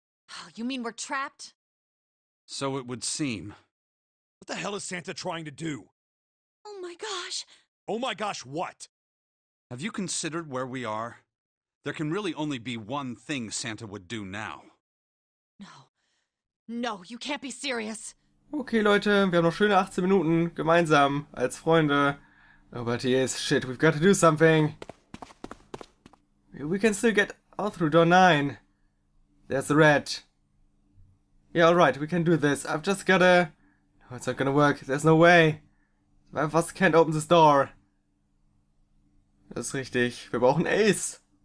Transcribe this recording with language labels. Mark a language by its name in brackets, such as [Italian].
[English] Oh, you mean we're trapped? So it would seem. What the hell is Santa trying to do? Oh my gosh! Oh my gosh, what? Have you considered where we are? There can really only be one thing Santa would do now. No. No, you can't be serious. [German] Okay, Leute, wir haben noch schöne 18 Minuten gemeinsam als Freunde. [English] Oh, but yes, shit, we've got to do something. We can still get out through door 9. There's the rat. Yeah, alright, we can do this. I've just gotta... No, it's not gonna work. There's no way. My boss can't open this door. That's [German] richtig. Wir brauchen Ace.